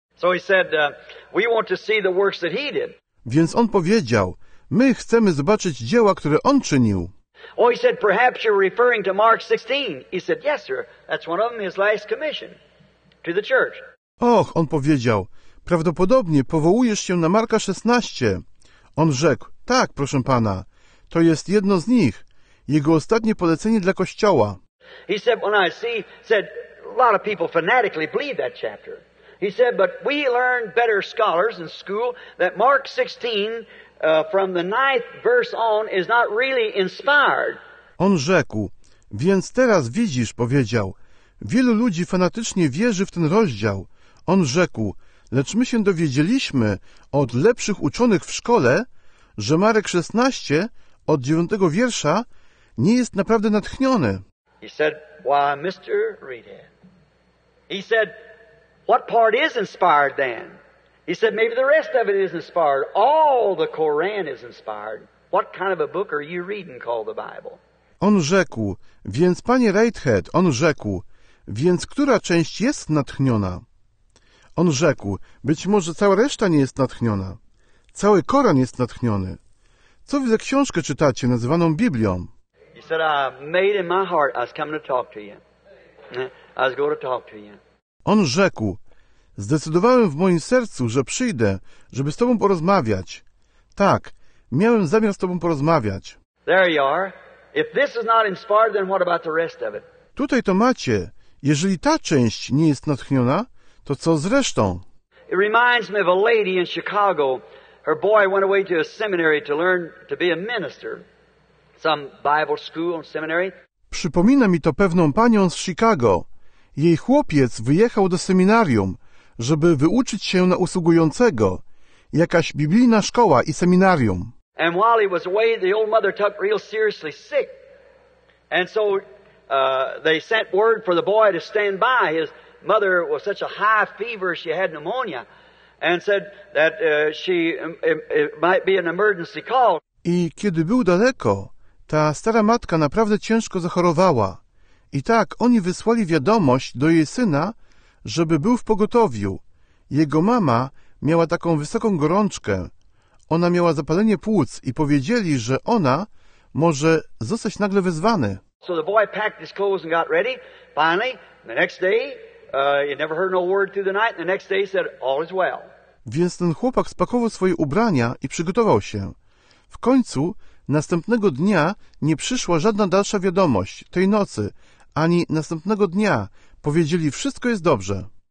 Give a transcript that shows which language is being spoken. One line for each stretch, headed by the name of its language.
English: So he said, we want to see the works that he did.
Polish: Więc on powiedział, my chcemy zobaczyć dzieła, które on czynił.
English: Oh, he said, perhaps you're referring to Mark 16. He said, yes, sir, that's one of them, his last commission to the church.
Polish: Och, on powiedział, prawdopodobnie powołujesz się na Marka 16. On rzekł, tak, proszę pana, to jest jedno z nich, jego ostatnie polecenie dla kościoła.
English: He said, when I see, said, a lot of people fanatically believe that chapter. He said, but we learned better scholars in school that Mark 16, from the ninth verse on, is not really inspired.
Polish: On rzekł, więc teraz widzisz, powiedział, wielu ludzi fanatycznie wierzy w ten rozdział. On rzekł, lecz my się dowiedzieliśmy od lepszych uczonych w szkole, że Marek 16, od 9 wiersza, nie jest naprawdę natchniony.
English: He said, why, Mr. Reedhead? He said, what part is inspired then? He said, maybe the rest of it is inspired. All the Koran is inspired. What kind of a book are you reading called the Bible?
Polish: On rzekł, więc panie Reedhead, on rzekł, więc która część jest natchniona? On rzekł, być może cała reszta nie jest natchniona. Cały Koran jest natchniony. Co wy za książkę czytacie, nazywaną Biblią?
English: He said, I made in my heart, I was coming to talk to you. I was going to talk to you.
Polish: On rzekł, zdecydowałem w moim sercu, że przyjdę, żeby z tobą porozmawiać. Tak, miałem zamiar z tobą porozmawiać.
English: There you are. If this is not inspired, then what about the rest of it?
Polish: Tutaj to macie. Jeżeli ta część nie jest natchniona, to co z resztą?
English: It reminds me of a lady in Chicago. Her boy went away to a seminary to learn to be a minister. Some Bible school and seminary.
Polish: Przypomina mi to pewną panią z Chicago. Jej chłopiec wyjechał do seminarium, żeby wyuczyć się na usługującego. Jakaś biblijna szkoła i seminarium.
English: And while he was away, the old mother took real seriously sick. And so they sent word for the boy to stand by. His mother was such a high fever, she had pneumonia. And said that it might be an emergency call.
Polish: I kiedy był daleko, ta stara matka naprawdę ciężko zachorowała. I tak, oni wysłali wiadomość do jej syna, żeby był w pogotowiu. Jego mama miała taką wysoką gorączkę. Ona miała zapalenie płuc i powiedzieli, że ona może zostać nagle wezwany.
English: So the boy packed his clothes and got ready. Finally, the next day, he never heard no word through the night, and the next day he said, all is well.
Polish: Więc ten chłopak spakował swoje ubrania i przygotował się. W końcu, następnego dnia nie przyszła żadna dalsza wiadomość tej nocy, ani następnego dnia powiedzieli, wszystko jest dobrze.